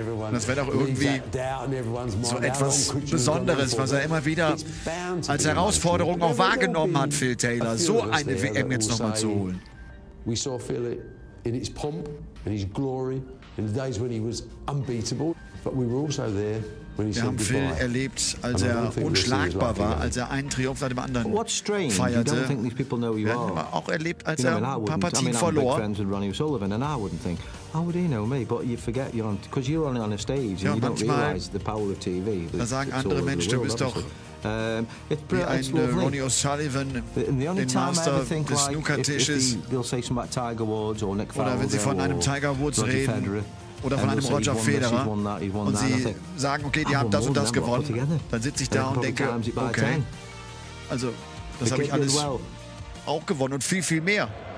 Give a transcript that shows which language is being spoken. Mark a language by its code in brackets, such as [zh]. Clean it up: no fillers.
[de] Das wäre doch irgendwie so etwas Besonderes, was er immer wieder als Herausforderung auch wahrgenommen hat, Phil Taylor, so eine WM jetzt nochmal zu holen. [en] We saw Phil in his pomp, in his glory, in the days when he was unbeatable. But we were also there when he said goodbye. [de] Phil erlebt, als er unschlagbar war, als er einen Triumph nach dem anderen feierte. [en] What's strange? You don't think these people know you are. [de] Wir haben auch erlebt, als er ein paar Partien verlor. [en] I mean, I'm big friends with Ronnie Sullivan, and I wouldn't think, how would he know me? But you forget you're on, because you're only on a stage, and you don't realize the power of TV. [de] Da sagen andere Menschen, du bist doch wie ein Ronnie O'Sullivan, den Master des Snooker-Tisches. Oder wenn sie von einem Tiger Woods reden oder von einem Roger Federer und sie sagen, okay, die haben das und das gewonnen, dann sitze ich da und denke, okay, also das habe ich alles auch gewonnen und viel, viel mehr.